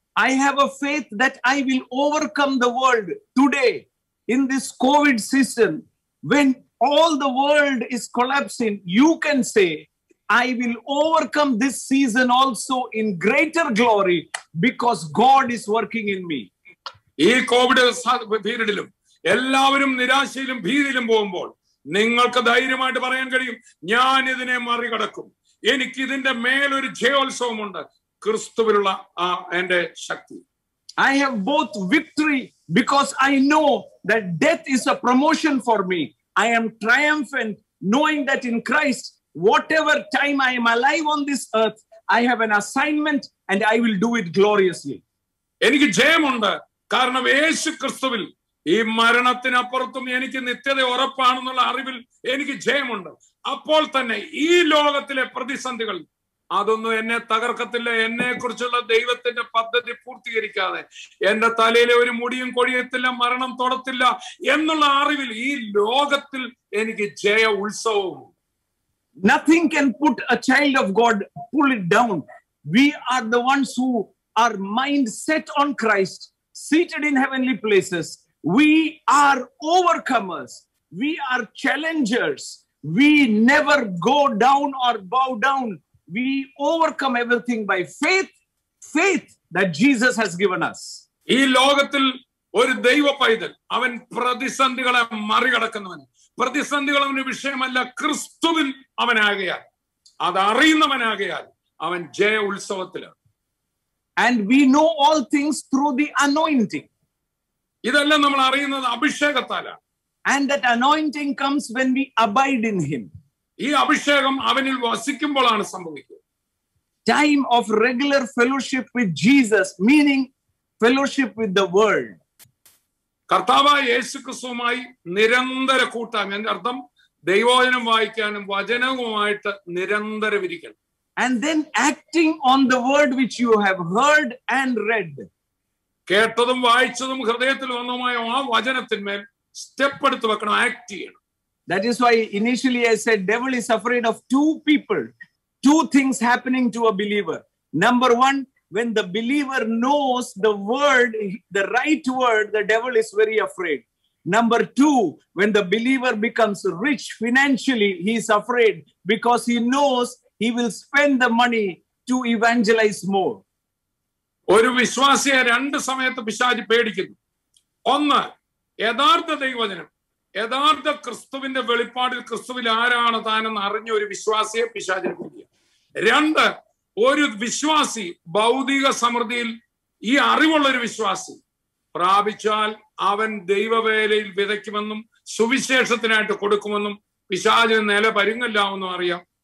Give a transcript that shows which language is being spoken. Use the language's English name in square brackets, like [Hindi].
[English] I have a faith that I will overcome the world today. In this COVID season, when all the world is collapsing, you can say, I will overcome this season also in greater glory because God is working in me. [Malayalam] ഈ Covid പീരീഡിലും എല്ലാവരും നിരാശയിലും ഭീതിയിലും പോകുമ്പോൾ നിങ്ങൾക്ക് ധൈര്യമായിട്ട് പറയാൻ കഴിയും, ഞാൻ ഇതിനെ മറികടക്കും, എനിക്ക് ഇതിന്റെ മേലൊരു ജയോത്സവമുണ്ട്, ക്രിസ്തുവിലുള്ള ആ എന്റെ ശക്തി. [English] I have both victory because I know that death is a promotion for me. I am triumphant knowing that in Christ, whatever time I am alive on this earth, I have an assignment and I will do it gloriously. [Malayalam] എനിക്ക് ജയമുണ്ട് കാരണം യേശു ക്രിസ്തുവിൽ ഈ മരണത്തിനപ്പുറത്തും എനിക്ക് നിത്യത ഉറപ്പാണെന്നുള്ള അറിവിൽ എനിക്ക് ജയമുണ്ട്. അപ്പോൾ തന്നെ ഈ ലോകത്തിലെ പ്രതിസന്ധികൾ അതൊന്നും എന്നെ തകർക്കത്തില്ല. എന്നെ കുറിച്ചുള്ള ദൈവത്തിന്റെ പദ്ധതി പൂർത്തീകരിക്കാതെ എന്റെ തലയിലെ ഒരു മുടിയും കൊഴിയത്തില്ല, മരണം തൊടത്തില്ല എന്നുള്ള അറിവിൽ ഈ ലോകത്തിൽ എനിക്ക് ജയ ഉത്സവവും. [English] Nothing can put a child of God, pull it down. We are the ones who are mind set on Christ, seated in heavenly places. We are overcomers. We are challengers. We never go down or bow down. We overcome everything by faith, faith that Jesus has given us. [Malayalam] ഈ ലോകത്തിൽ ഒരു ദൈവപൈതൽ, അവൻ പ്രതിസന്ധികളെ മറികടക്കുന്നവൻ. പ്രതിസന്ധികൾ അവന് വിഷയമല്ല, ക്രിസ്തുവിൽ അവനാകയാൽ, അത് അറിയുന്നവനാകയാൽ അവൻ Jaya ഉത്സവത്തിലാണ്. [English] And we know all things through the anointing. [Malayalam] ഇതെല്ലാം നമ്മൾ അറിയുന്നത് അഭിഷേകത്താലാണ്. [English] And that anointing comes when we abide in him. [Malayalam] ഈ അഭിഷേകം അവനിൽ വസിക്കുമ്പോഴാണ് സംഭവിക്കുന്നത്. [English] Time of regular fellowship with Jesus, meaning fellowship with the world. [Malayalam] കർത്താവായ യേശുക്രിസ്തുവുമായി നിരന്തര കൂട്ടായ്മ, എന്റെ അർത്ഥം ദൈവവചനം വായിക്കാനും വചനവുമായിട്ട് നിരന്തരം ഇരിക്കണം. [English] And then acting on the word which you have heard and read. [Malayalam] കേട്ടതും വായിച്ചതും ഹൃദയത്തിൽ വന്നതുമായ ആ വചനത്തിന്മേൽ സ്റ്റെപ്പ് എടുത്ത് വെക്കണം, ആക്ട് ചെയ്യണം. [English] That is why initially I said devil is afraid of two people, two things happening to a believer. Number one, when the believer knows the word, the right word, the devil is very afraid. Number two, when the believer becomes rich financially, he is afraid because he knows he will spend the money to evangelize more. [Malayalam] ഒരു വിശ്വാസിയെ രണ്ട് സമയത്ത് പിശാചി പേടിക്കുന്നു. ഒന്ന്, യഥാർത്ഥ ദൈവജനം, യഥാർത്ഥ ക്രിസ്തുവിന്റെ വെളിപ്പാടിൽ, ക്രിസ്തുവിൽ ആരാണ് താനെന്ന് അറിഞ്ഞ ഒരു വിശ്വാസിയെ പിശാചിനെ പേടിക്കുക. രണ്ട്, ഒരു വിശ്വാസി ഭൗതിക സമൃദ്ധിയിൽ ഈ അറിവുള്ള ഒരു വിശ്വാസി പ്രാപിച്ചാൽ അവൻ ദൈവവേലയിൽ വിതയ്ക്കുമെന്നും സുവിശേഷത്തിനായിട്ട് കൊടുക്കുമെന്നും പിശാചിന് നില പരുങ്ങല്ലാവുന്നും അറിയാം.